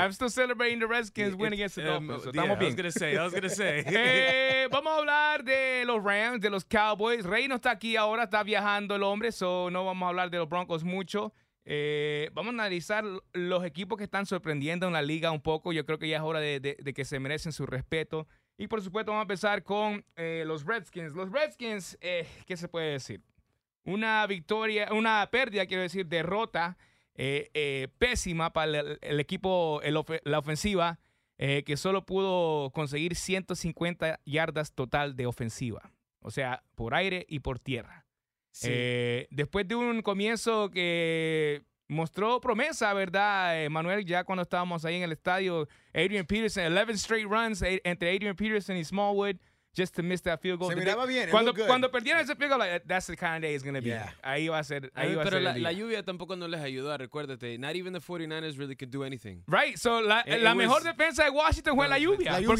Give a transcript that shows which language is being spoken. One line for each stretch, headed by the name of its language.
English: I'm still celebrating the Redskins win against the Dolphins. I was going to say.
Spanish: Vamos a hablar de los Rams, de los Cowboys. Rey no está aquí ahora, está viajando el hombre, so no vamos a hablar de los Broncos mucho. Vamos a analizar los equipos que están sorprendiendo en la liga un poco. Yo creo que ya es hora de que se merecen su respeto. Y por supuesto vamos a empezar con los Redskins. Los Redskins, ¿qué se puede decir? Derrota pésima para el equipo, la ofensiva, que solo pudo conseguir 150 yardas total de ofensiva. O sea, por aire y por tierra. Sí. Después de un comienzo que mostró promesa, ¿verdad, Manuel? Ya cuando estábamos ahí en el estadio, Adrian Peterson,
English: 11 straight runs
Spanish: entre Adrian Peterson y Smallwood
English: just to miss that field goal.
Spanish: Se miraba bien. Cuando perdieron ese
English: field goal, like, that's the kind of day it's going to be.
Spanish: Yeah. Ahí va a ser. La lluvia tampoco no les ayudó, recuérdate.
English: Not even the 49ers really could do anything. Right, so
Spanish: la mejor defensa de Washington fue la lluvia.